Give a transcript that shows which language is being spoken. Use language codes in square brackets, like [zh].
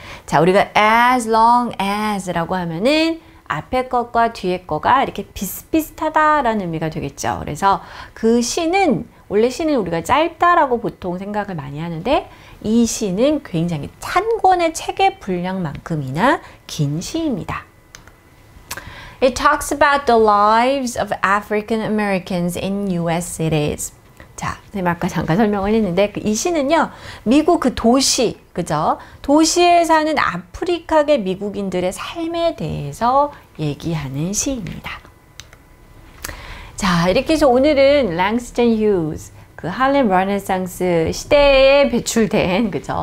[ko] 자, 우리가 [en] as long as [ko] 라고 하면은 앞에 것과 뒤에 거가 이렇게 비슷비슷하다라는 의미가 되겠죠. 그래서 그 시는, 원래 시는 우리가 짧다라고 보통 생각을 많이 하는데 이 시는 굉장히 한 권의 책의 분량만큼이나 긴 시입니다. [en] It talks about the lives of African Americans in US cities. [ko] 자, 선생님 아까 잠깐 설명을 했는데 이 시는요, 미국 그 도시, 그죠? 도시에 사는 아프리카계 미국인들의 삶에 대해서 얘기하는 시입니다. 자, 이렇게 해서 오늘은 Langston Hughes, 그 할렘 르네상스 시대에 배출된, 그죠?